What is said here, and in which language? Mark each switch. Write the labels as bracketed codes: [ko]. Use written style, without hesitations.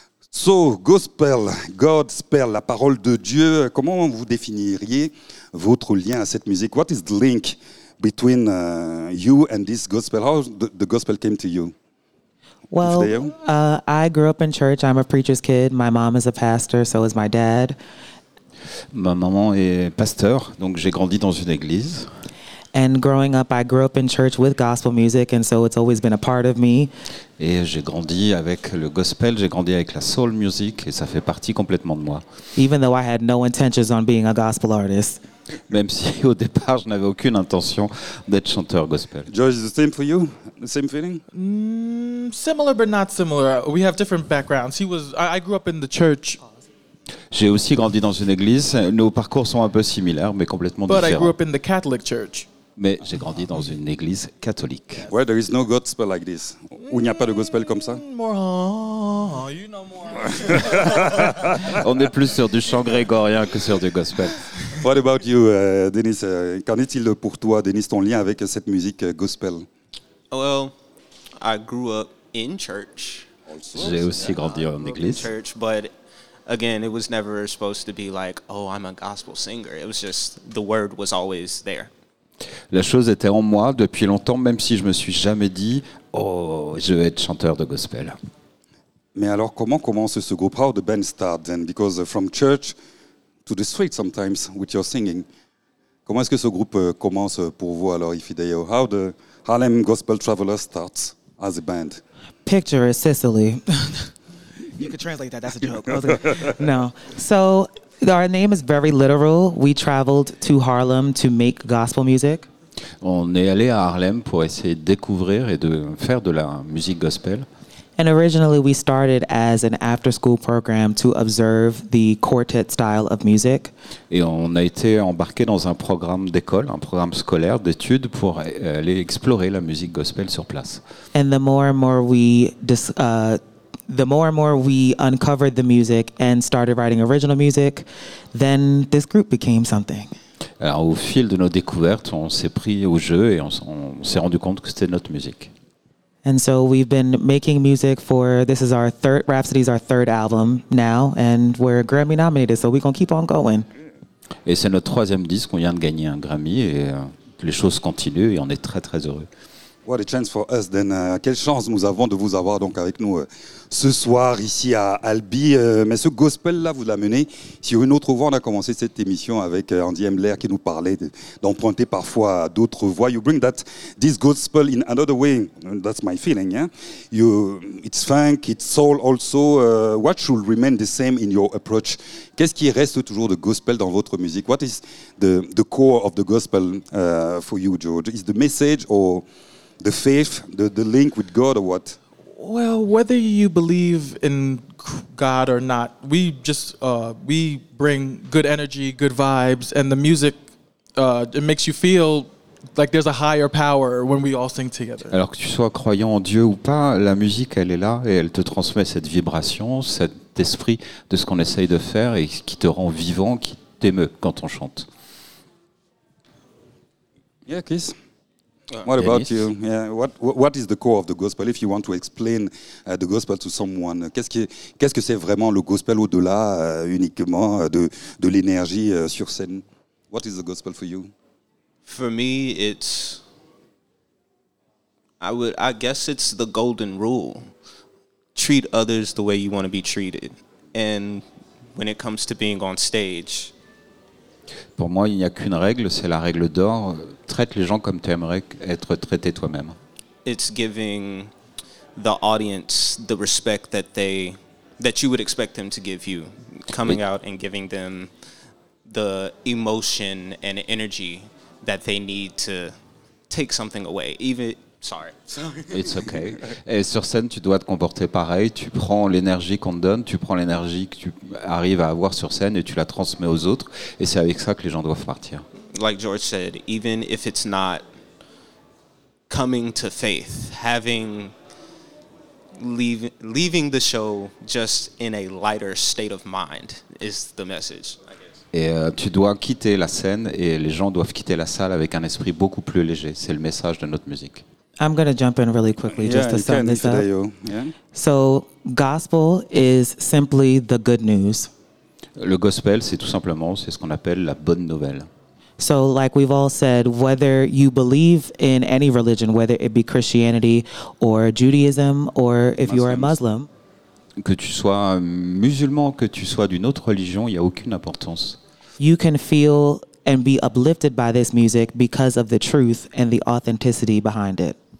[en] So, gospel, God's spell, [fr] la parole de Dieu, comment vous définiriez votre lien à cette musique? [en] What is the link between you and this gospel? How the gospel came to you? Well, I grew up in church. I'm a preacher's kid. My mom is a pastor, so is my dad. [fr] Ma maman est pasteur, donc j'ai grandi dans une église. [en] And growing up, I grew up in church with gospel music, and so it's always been a part of me. [fr] Et j'ai grandi avec le gospel, j'ai grandi avec la soul music, et ça fait partie complètement de moi. [en] Even though I had no intentions on being a gospel artist. [fr] Même si au départ, je n'avais aucune intention d'être chanteur gospel. [en] George, the same for you? The same feeling? Similar, but not similar. We have different backgrounds. I grew up in the church. [fr] J'ai aussi grandi dans une église. Nos parcours sont un peu similaires, mais complètement [en] but [fr] différents. [en] But I grew up in the Catholic church. [fr] Mais j'ai grandi dans une église catholique. [en] Where there is no gospel like this. [fr] Où il n'y a pas de gospel comme ça. [en] More, you know more. [fr] On est plus sur du chant grégorien que sur du gospel. [en] What about you, Dennis? [fr] Qu'en est-il pour toi, Dennis, ton lien avec cette musique gospel? [en] Well, I grew up in church. [fr] J'ai aussi grandi en église. [en] Church, but again, it was never supposed to be like, oh, I'm a gospel singer. It was just, the word was always there. [fr] La chose était en moi depuis longtemps, même si je me suis jamais dit, oh, je vais être chanteur de gospel. Mais alors, comment commence ce groupe? [en] How the band start then? Because from church to the street sometimes with your singing. [fr] Comment est-ce que ce groupe commence pour vous alors, Ifedayo? [en] How the Harlem Gospel Travelers starts as a band? Picture is Sicily. You could translate that. That's a joke. I was like, no. So our name is very literal. We traveled to Harlem to make gospel music. [fr] On est allé à Harlem pour essayer de découvrir et de faire de la musique gospel. [en] And originally we started as an after-school program to observe the quartet style of music. [fr] Et on a été embarqué dans un programme d'école, un programme scolaire d'études pour aller explorer la musique gospel sur place. [en] And the more and more we uncovered the music and started writing original music, then this group became something. [fr] Alors, au fil de nos découvertes, on s'est pris au jeu et on s'est rendu compte que c'était notre musique. [en] And so we've been making music for, this is our third, Rhapsody's our third album now, and we're Grammy nominated, so we're going to keep on going. [fr] Et c'est notre troisième disque, on vient de gagner un Grammy, et les choses continuent, et on est très très heureux. [en] What a chance for us, then. [fr] Quelle chance nous avons de vous avoir donc avec nous ce soir ici à Albi. Mais ce gospel-là, vous l'amenez sur une autre voie. On a commencé cette émission avec Andy Emler qui nous parlait d'emprunter parfois d'autres voies. [en] You bring that this gospel in another way. That's my feeling. Yeah? It's funk, it's soul also. What should remain the same in your approach? [fr] Qu'est-ce qui reste toujours de gospel dans votre musique? [en] What is the core of the gospel for you, George? Is the message or the faith, the link with God, or what? Well, whether you believe in God or not, we just we bring good energy, good vibes, and the music it makes you feel like there's a higher power when we all sing together. [fr] Alors que tu sois croyant en Dieu ou pas, la musique elle est là et elle te transmet cette vibration, cet esprit de ce qu'on essaye de faire et qui te rend vivant, qui t'émeut quand on chante. [en] Yeah, Chris. What about Dennis? You? Yeah. What is the core of the gospel? If you want to explain the gospel to someone, [fr] qu'est-ce que c'est vraiment le gospel au-delà uniquement de l'énergie sur scène? [en] What is the gospel for you? For me, it's I guess it's the golden rule: treat others the way you want to be treated. And when it comes to being on stage. [fr] Pour moi, il n'y a qu'une règle, c'est la règle d'or. Traite les gens comme tu aimerais être traité toi-même. [en] It's giving the audience the respect that you would expect them to give you. Coming out and giving them the emotion and energy that they need to take something away. It's okay. [fr] Et sur scène, tu dois te comporter pareil. Tu prends l'énergie qu'on te donne, tu prends l'énergie que tu arrives à avoir sur scène et tu la transmets aux autres. Et c'est avec ça que les gens doivent partir. [en] Like George said, even if it's not coming to faith, leaving the show just in a lighter state of mind is the message. [fr] Et tu dois quitter la scène et les gens doivent quitter la salle avec un esprit beaucoup plus léger. C'est le message de notre musique. [en] I'm going to jump in really quickly just to sum this up. Yeah. So gospel is simply the good news. [fr] Le gospel, c'est tout simplement, c'est ce qu'on appelle la bonne nouvelle. [en] So like we've all said, whether you believe in any religion, whether it be Christianity or Judaism, or if you are a Muslim. [fr] Que tu sois musulman, que tu sois d'une autre religion, il n'y a aucune importance. [en] You can feel and be uplifted by this music because of the truth and the authenticity behind it.